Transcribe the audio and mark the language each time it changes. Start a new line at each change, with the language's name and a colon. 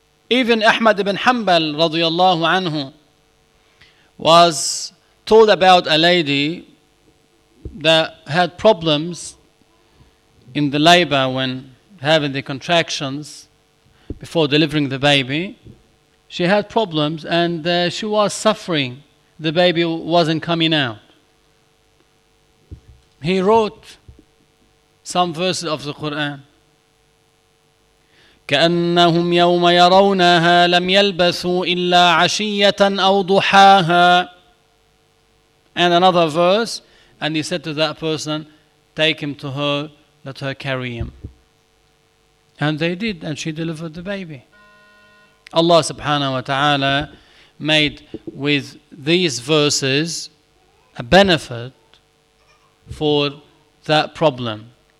English: Even Ahmad ibn Hanbal radiyallahu anhu was told about a lady that had problems in the labor when having the contractions before delivering the baby. She had problems and she was suffering. The baby wasn't coming out. He wrote some verses of the Quran.
Arabic: كأنهم يوم يرونها لم يلبثوا إلا عشية أو ضحاها.
English: And another verse, and he said to that person, take him to her, let her carry him. And they did, and she delivered the baby. Allah subhanahu wa ta'ala made with these verses a benefit for that problem.